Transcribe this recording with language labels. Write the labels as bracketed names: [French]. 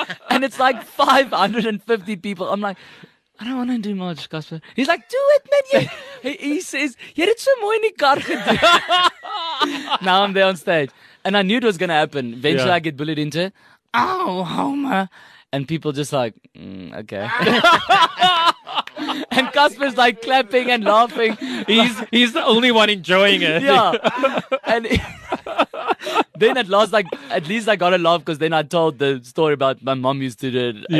[English] And it's like 550 people. I'm like, I don't want to do Marge, Casper. He's like, do it, man. [Afrikaans] He says, jy het so mooi in die kar gedoen. [English] Now I'm there on stage. And I knew it was going to happen. Eventually, yeah. I get bullied into, oh, Homer. And people just like, okay. And Casper's like clapping and laughing. He's the only one enjoying it. Yeah. And then at last, like, at least I got a laugh because then I told the story about my mom used to do it.